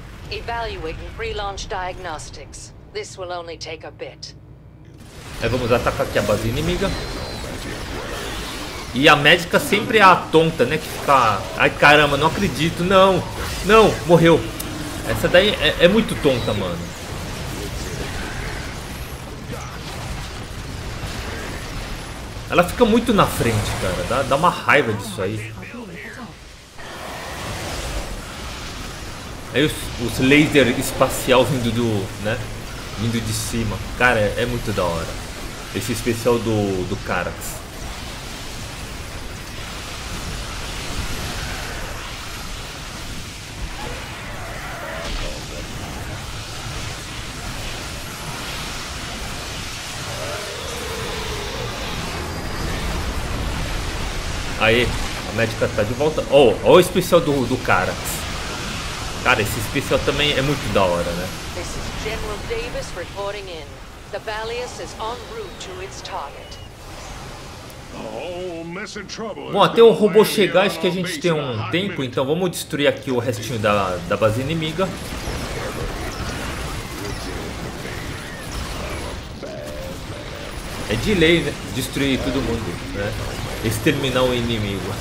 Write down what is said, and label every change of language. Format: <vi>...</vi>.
<en>Evaluating pre-launch diagnostics. This will only take a bit.</en> <pt>Aí vamos atacar aqui a base inimiga. E a médica sempre é a tonta, né? Que fica. Ai caramba, não acredito. Não! Não! Morreu! Essa daí é muito tonta, mano. Ela fica muito na frente, cara. Dá uma raiva disso aí. Aí os laser espacial vindo do, né? Vindo de cima. Cara, é muito da hora. Esse especial do Carax. Aí, a médica tá de volta. Oh, olha o especial do cara. Cara, esse especial também é muito da hora, né?</pt> <en>This is General Davis reporting in. The Valius is en route to its target.</en> <pt>Bom, até o robô chegar, acho que a gente tem um tempo, então vamos destruir aqui o restinho da base inimiga. É de lei, né? Destruir todo mundo, né? Exterminar o inimigo.</pt>